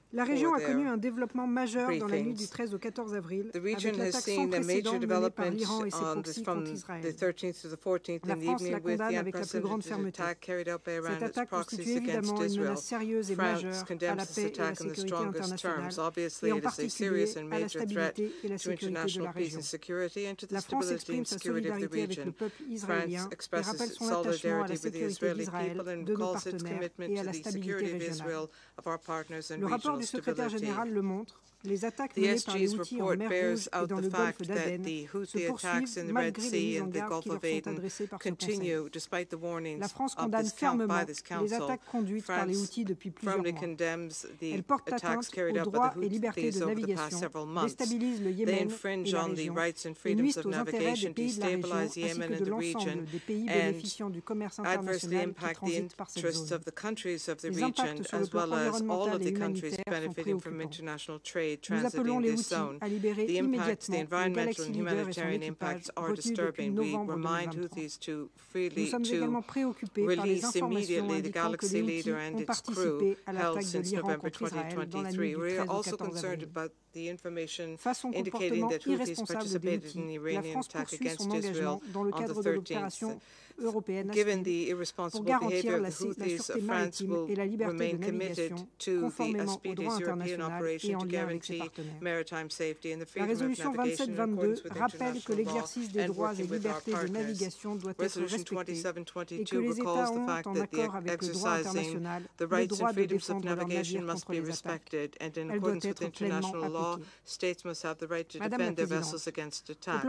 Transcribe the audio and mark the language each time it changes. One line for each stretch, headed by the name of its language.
French: La région a connu un développement majeur dans la nuit du 13 au 14 avril.
English: The region has seen a major development on this from the 13th to the 14th in the evening with the unprecedented attack carried out by Iran and its proxies against Israel. France condemns this attack on the strongest terms. Obviously, it is a serious and major threat to international peace and security and to the stability and security of the region. France expresses its solidarity with the Israeli people and calls its commitment to the security of Israel, of our partners and regional.
French: Le secrétaire général le montre. Les attaques menées par les Houthis en mer Rouge et dans le golfe d'Aden se poursuivent malgré les mises en garde qui leur sont adressées par ce conseil. La France condamne fermement les attaques conduites par les Houthis depuis plusieurs mois. Elle porte atteinte aux droits et libertés de navigation, déstabilise le Yémen et la région, et nuit aux intérêts des pays de la région ainsi que de l'ensemble des pays bénéficiant du commerce international qui transite par cette zone. Les impacts sur le plan environnemental et humanitaire sont préoccupants. Nous appelons les Houthis à libérer immédiatement les galaxies leaders et son équipage reçu depuis novembre 2023. Nous sommes également préoccupés par les informations indiquant que les Houthis ont participé à l'attaque de l'Iran contre Israël dans la nuit du 13 au 14 avril. Face au comportement irresponsable des Houthis, la France poursuit son engagement dans le cadre de l'opération
English: Given the irresponsible behavior of the Houthis, France will remain committed to the SPD's European operation to guarantee maritime safety and the freedom of navigation in accordance with international law and working with our partners. Resolution 2722 recalls the fact that the exercising the rights and freedoms of navigation must be respected and in accordance with international law, states must have the right to defend their vessels against attack.